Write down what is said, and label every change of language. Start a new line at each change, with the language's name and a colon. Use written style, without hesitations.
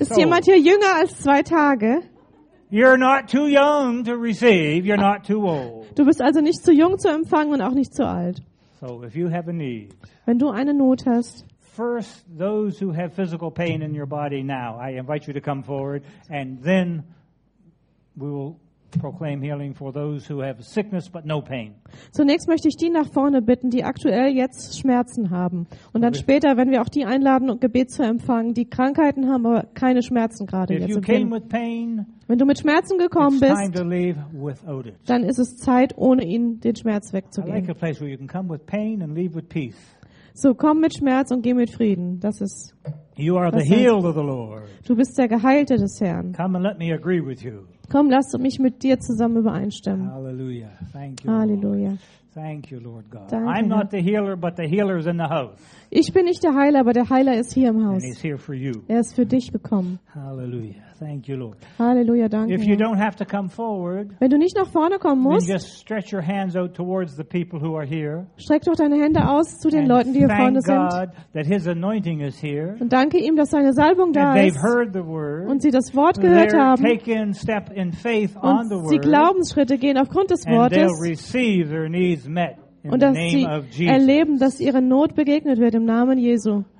German: Ist jemand hier jünger als 2 Tage?
English: You're not too young to receive, you're not too old.
German: Du bist also nicht zu jung zu empfangen und auch nicht zu alt.
English: So if you have a need.
German: Wenn du eine Not hast.
English: First those who have physical pain in your body now, I invite you to come forward and then we will proclaim healing for those who have sickness but no pain.
German: Zunächst möchte ich die nach vorne bitten, die aktuell jetzt Schmerzen haben und dann später, wenn wir auch die einladen, um Gebet zu empfangen, die Krankheiten haben, aber keine Schmerzen gerade
English: if
German: jetzt.
English: You came with pain,
German: wenn du mit Schmerzen gekommen bist,
English: time to leave with Odit.
German: Dann ist es Zeit, ohne ihn den Schmerz wegzugeben.
English: I like a place where you can come with pain and leave with peace.
German: So komm mit Schmerz und geh mit Frieden. Das ist
English: you are the healed of the Lord.
German: Du bist der Geheilte des Herrn.
English: Come and let me agree with you.
German: Komm, lass mich mit dir zusammen übereinstimmen.
English: Halleluja.
German: Halleluja.
English: Thank you, Lord God.
German: Danke.
English: I'm not the healer, but the healer is in the house.
German: Ich bin nicht der Heiler, aber der Heiler ist hier im Haus.
English: And he's here for you.
German: Er ist für dich gekommen.
English: Halleluja. Thank you, Lord.
German: Halleluja, danke.
English: If you don't have to come forward,
German: wenn du nicht nach vorne kommen musst,
English: then just stretch your hands out towards the people who are here.
German: Streck doch deine Hände aus zu den Leuten, die hier vorne sind.
English: Thank God that His anointing is here.
German: Und danke ihm, dass seine Salbung da ist.
English: And they've heard the word.
German: Und sie das Wort gehört haben.
English: They're taking step in faith on the word.
German: Und sie Glaubensschritte gehen aufgrund des Wortes.
English: And they'll receive their needs met in the name of Jesus.
German: Und dass sie erleben, dass ihre Not begegnet wird im Namen Jesu.